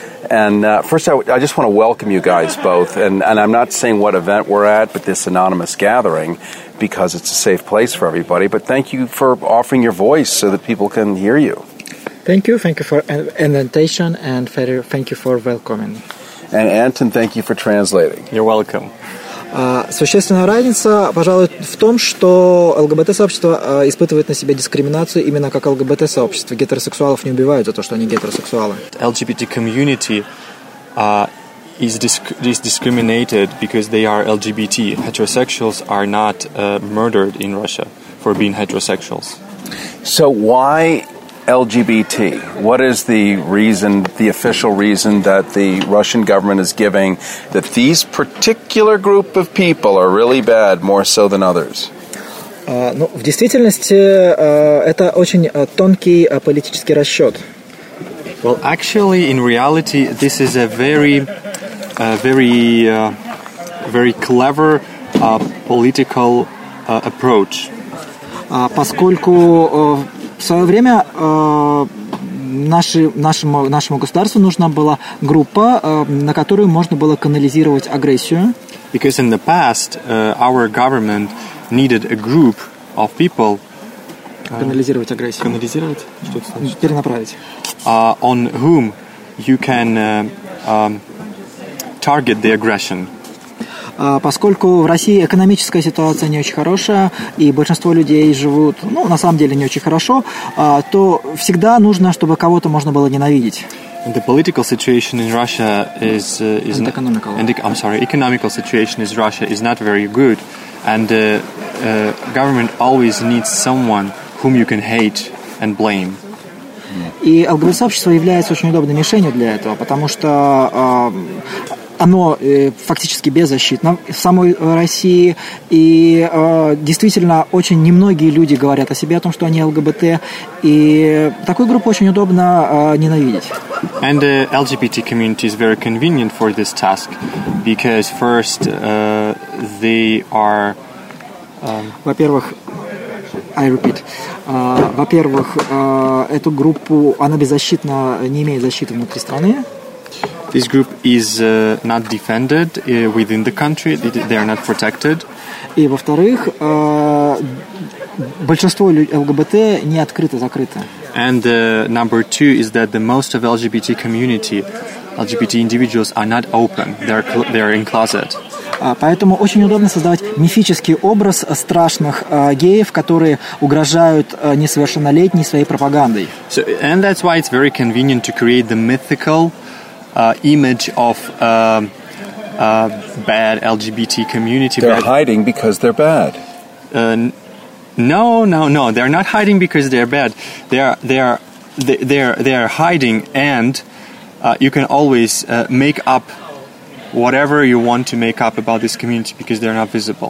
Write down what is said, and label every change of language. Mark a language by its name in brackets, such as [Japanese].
[English] And first, I just want to welcome you guys both. And I'm not saying what event we're at, but this anonymous gathering, because it's a safe place for everybody. But thank you for offering your voice so that people can hear you. Thank you. Thank you for invitation, and Feder, thank you for welcoming. And Anton, thank you for translating. You're welcome. [Russian] Существенная разница, пожалуй, в том, что ЛГБТ-сообщество испытывает на себе дискриминацию именно как ЛГБТ-сообщество. Гетеросексуалов не убивают за то, что они гетеросексуалы. [English] LGBT community is discriminated because they are LGBT. Heterosexuals are not murdered in Russia for being heterosexuals. So why LGBT? What is the reason, the official reason that the Russian government is giving that these particular group of people are really bad, more so than others? [Russian] Ну, в действительности, это очень тонкий политический расчет. [English] Well, actually, in reality, this is a very, very, very clever political approach. [Russian] Поскольку в свое время нашему государству нужна была группа, на которую можно было канализировать агрессию. [English] Because in the past, our government needed a group of people [Russian] канализировать агрессию. Канализировать? Что это значит? Перенаправить. [English] On whom you can target the aggression. [Russian] Поскольку в России экономическая ситуация не очень хорошая, и большинство людей живут, ну, на самом деле, не очень хорошо, то всегда нужно, чтобы кого-то можно было ненавидеть. [English] And the political situation in Russia is and economical. And I'm sorry, economical situation in Russia is not very good, and the government always needs someone whom you can hate and blame. [Russian] И ЛГБТ-сообщество является очень удобной мишенью для этого, потому что оно фактически беззащитно в самой России, и действительно очень немногие люди говорят о себе, о том, что они ЛГБТ, и такую группу очень удобно ненавидеть. [English] And the LGBT community is very convenient for this task, because first, they are... [Russian] Во-первых, [English] I repeat. [Russian] Во-первых, эту группу, она беззащитна, не имеет защиты внутри страны. [English] This group is not defended within the country. They are not protected. [Russian] И, во-вторых, большинство ЛГБТ не открыто-закрыто. [English] And number two is that the most of LGBT community, LGBT individuals are not open. They are in closet. Поэтому очень удобно создавать мифический образ страшных геев, которые угрожают несовершеннолетней своей пропагандой. So, and that's why it's very convenient to create the mythical image of a bad LGBT community. They're hiding because they're bad. No. They're not hiding because they're bad. They are hiding, and you can always make up whatever you want to make up about this community because they're not visible.